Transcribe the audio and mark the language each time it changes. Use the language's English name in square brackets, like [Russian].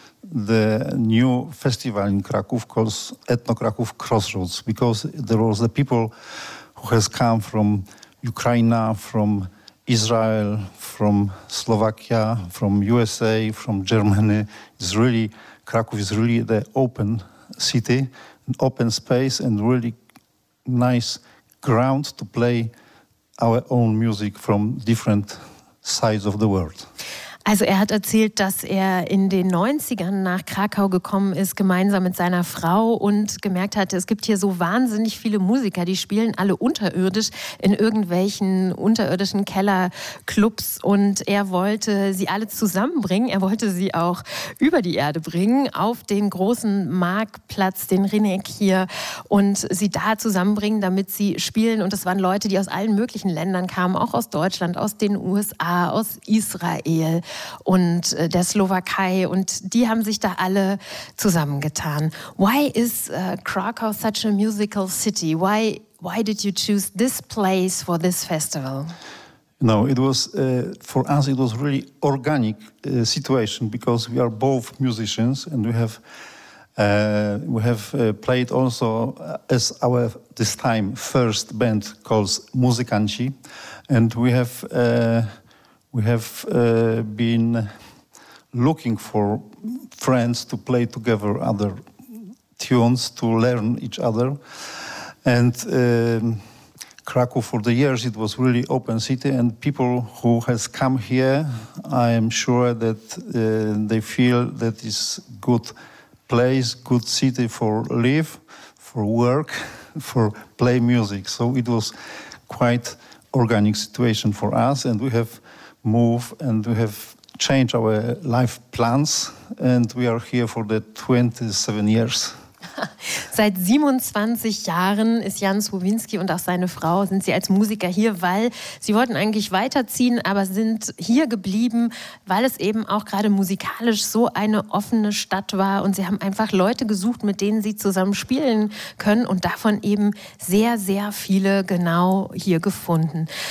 [English] the new festival in Krakow called Ethno Krakow Crossroads, because there was the people who has come from Ukraine, from Israel, from Slovakia, from USA, from Germany. Krakow is really the open city, an open space and really nice ground to play our own music from different sides of the world. [German] Also er hat erzählt, dass er in den 90ern nach Krakau gekommen ist, gemeinsam mit seiner Frau und gemerkt hat, es gibt hier so wahnsinnig viele Musiker, die spielen alle unterirdisch in irgendwelchen unterirdischen Kellerclubs und er wollte sie alle zusammenbringen, er wollte sie auch über die Erde bringen, auf den großen Marktplatz, den Rynek hier, und sie da zusammenbringen, damit sie spielen. Und das waren Leute, die aus allen möglichen Ländern kamen, auch aus Deutschland, aus den USA, aus Israel und der Slowakei, und die haben sich da alle zusammengetan. [English] Why is Krakow such a musical city? Why did you choose this place for this festival? No, it was for us it was really organic situation, because we are both musicians and we have played also as our this time first band called Muzykanci, and we have been looking for friends to play together other tunes, to learn each other. And Krakow for the years, it was really open city, and people who has come here, I am sure that they feel that it's good place, good city for live, for work, for play music. So it was quite organic situation for us, and we have move and we have changed our life plans and we are here for the 27 years. [German] Seit 27 Jahren ist Jan Słowiński und auch seine Frau, sind sie als Musiker hier, weil sie wollten eigentlich weiterziehen, aber sind hier geblieben, weil es eben auch gerade musikalisch so eine offene Stadt war und sie haben einfach Leute gesucht, mit denen sie zusammen spielen können, und davon eben sehr, sehr viele genau hier gefunden.